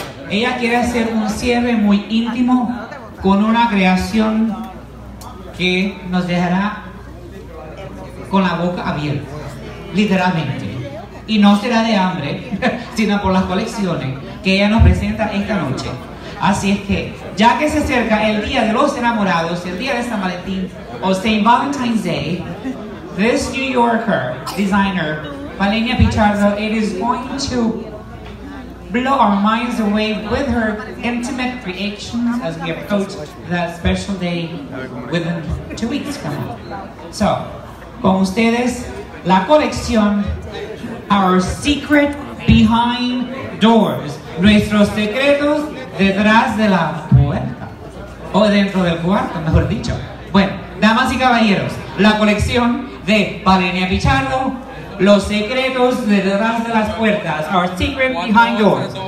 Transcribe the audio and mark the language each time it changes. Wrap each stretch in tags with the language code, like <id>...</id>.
<es>Ella quiere hacer un cierre muy íntimo con una creación que nos dejará con la boca abierta, literalmente. Y no será de hambre, sino por las colecciones que ella nos presenta esta noche. Así es que, ya que se acerca el Día de los Enamorados, el Día de San Valentín, o St.</es> <en>Valentine's Day, this New Yorker designer, Palenia Pichardo, it is going to blow our minds away with her intimate creations as we approach that special day within 2 weeks from now.</en> <es>So, con ustedes, la colección, Our Secret Behind Doors, nuestros secretos detrás de la puerta, o dentro del cuarto, mejor dicho. Bueno, damas y caballeros, la colección de Palenia Pichardo, los secretos detrás de las puertas, Our Secret Behind Doors.</es>